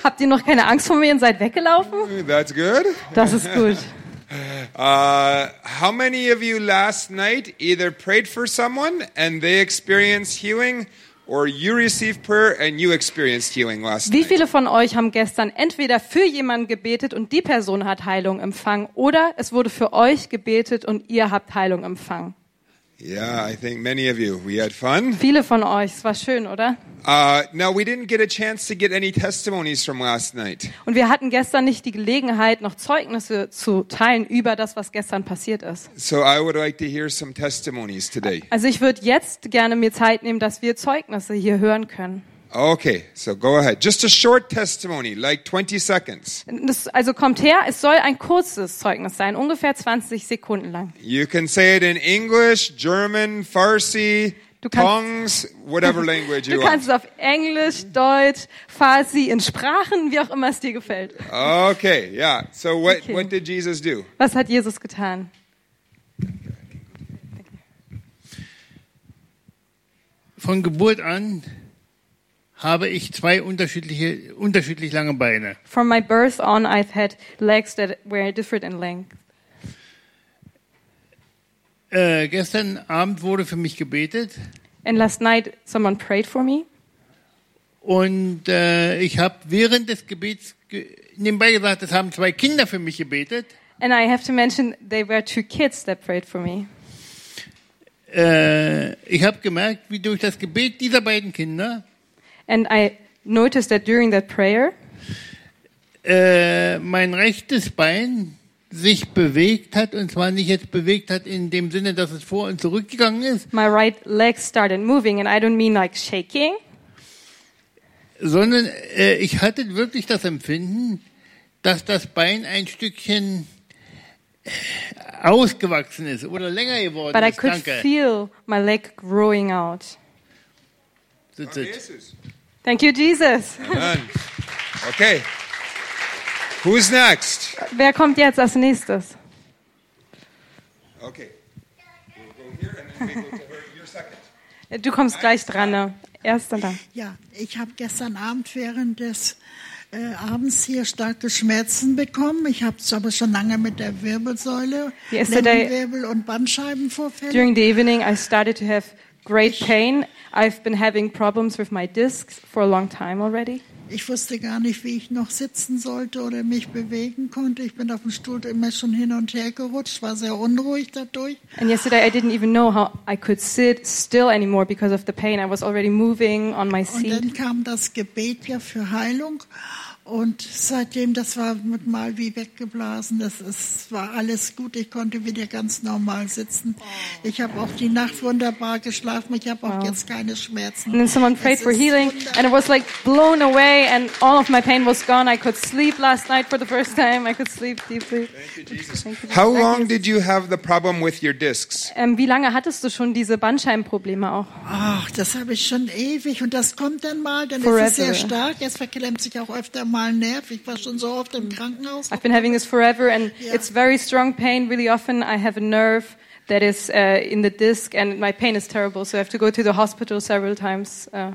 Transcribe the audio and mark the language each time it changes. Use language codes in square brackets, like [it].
[de] Habt ihr noch keine Angst vor mir und seid weggelaufen? [en] That's good. [de] Das ist gut. [en] How many of you last night either prayed for someone and they experienced healing? Or you received prayer and you experienced healing last night. [de] Wie viele von euch haben gestern entweder für jemanden gebetet und die Person hat Heilung empfangen oder es wurde für euch gebetet und ihr habt Heilung empfangen? [en] Yeah, I think many of you. We had fun. [de] Viele von euch, es war schön, oder? [en] We didn't get a chance to get any testimonies from last night. [de] Und wir hatten gestern nicht die Gelegenheit, noch Zeugnisse zu teilen über das, was gestern passiert ist. [en] So I would like to hear some testimonies today. [de] Also ich würde jetzt gerne mir Zeit nehmen, dass wir Zeugnisse hier hören können. [en] Okay, so go ahead. Just a short testimony, like 20 seconds. [de] Also kommt her, es soll ein kurzes Zeugnis sein, ungefähr 20 Sekunden lang. [en] You can say it in English, German, Farsi, Tongues, whatever language you want. [de] Du kannst es auf Englisch, Deutsch, Farsi, in Sprachen, wie auch immer es dir gefällt. [en] Okay, yeah. So what did Jesus do? [de] Was hat Jesus getan? Von Geburt an habe ich zwei unterschiedlich lange Beine. [en] From my birth on, I've had legs that were different in length. [de] Gestern Abend wurde für mich gebetet. [en] And last night someone prayed for me. [de] Und ich habe während des Gebets nebenbei gesagt, es haben zwei Kinder für mich gebetet. [en] And I have to mention they were two kids that prayed for me. [de] Ich habe gemerkt, wie durch das Gebet dieser beiden Kinder. [en] And I noticed that during that prayer, [de] mein rechtes Bein sich bewegt hat, und zwar nicht jetzt bewegt hat in dem Sinne, dass es vor und zurückgegangen ist. [en] My right leg started moving, and I don't mean like shaking. [de] Sondern ich hatte wirklich das Empfinden, dass das Bein ein Stückchen ausgewachsen ist oder länger geworden [en] But [de] ist. [en] But I could [de] Danke. [en] Feel my leg growing out. That's it. Thank you, Jesus. Okay. Who's next? [de] Wer kommt jetzt als nächstes? Okay. [en] We'll go here and then we'll go to her. You're second. [de] Du kommst gleich dran, ne? Erster da. Ja, ich habe gestern Abend während des Abends hier starke Schmerzen bekommen. Ich habe es aber schon lange mit der Wirbelsäule, Lendenwirbel und Bandscheibenvorfälle. [en] During the evening I started to have great pain. I've been having problems with my discs for a long time already. [de] Ich wusste gar nicht, wie ich noch sitzen sollte oder mich bewegen konnte. Ich bin auf dem Stuhl immer schon hin und her gerutscht, war sehr unruhig dadurch. [en] And yesterday I didn't even know how I could sit still anymore because of the pain. I was already moving on my seat. [de] Und dann kam das Gebet ja für Heilung. Und seitdem, das war mit mal wie weggeblasen, es war alles gut, ich konnte wieder ganz normal sitzen. Ich habe auch die Nacht wunderbar geschlafen, ich habe auch jetzt keine Schmerzen. [en] And then someone prayed for healing, and it was like blown away, and all of my pain was gone. I could sleep last night for the first time, I could sleep deeply. Thank you, Jesus. How long did you have the problem with your discs? [de] Wie lange hattest du schon diese Bandscheibenprobleme auch? Ach, das habe ich schon ewig, und das kommt dann mal, dann [en] Forever. [de] Ist es sehr stark, es verklemmt sich auch öfter. [en] I've been having this forever, and it's very strong pain. Really often I have a nerve that is in the disc, and my pain is terrible, so I have to go to the hospital several times.